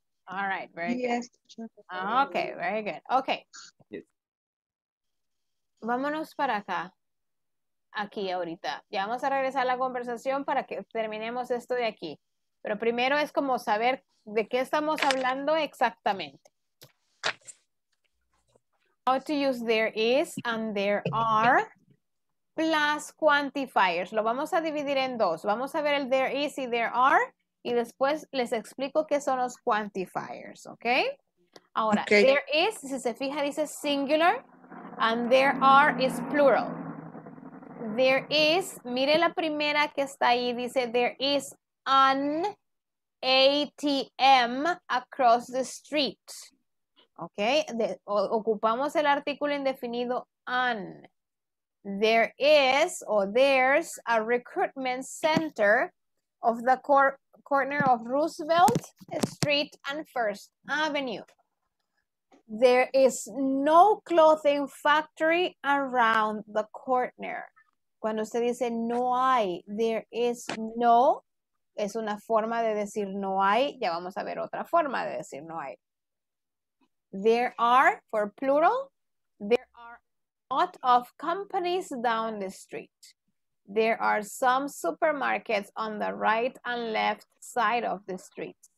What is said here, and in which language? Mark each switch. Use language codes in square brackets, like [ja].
[en] All right, very good. Yes. Okay, very good. Okay. Yes. [es] Vámonos para acá. Aquí ahorita. Ya vamos a regresar a la conversación para que terminemos esto de aquí. Pero primero es como saber de qué estamos hablando exactamente. [en] How to use there is and there are plus quantifiers. [es] Lo vamos a dividir en dos. Vamos a ver el [en] there is [es] y [en] there are. [es] Y después les explico qué son los quantifiers, ¿ok? Ahora, [en] okay. There is, [es] si se fija, dice singular. [en] And there are is plural. There is, [es] mire la primera que está ahí, dice [en] there is an ATM across the street. ¿Ok? [es] Ocupamos el artículo indefinido an. [en] There is or there's a recruitment center of the corner of Roosevelt Street and First Avenue. There is no clothing factory around the corner. [es] Cuando usted dice no hay, [en] there is no, [es] es una forma de decir no hay. Ya vamos a ver otra forma de decir no hay. [en] There are, for plural, there are a lot of companies down the street. There are some supermarkets on the right and left side of the street.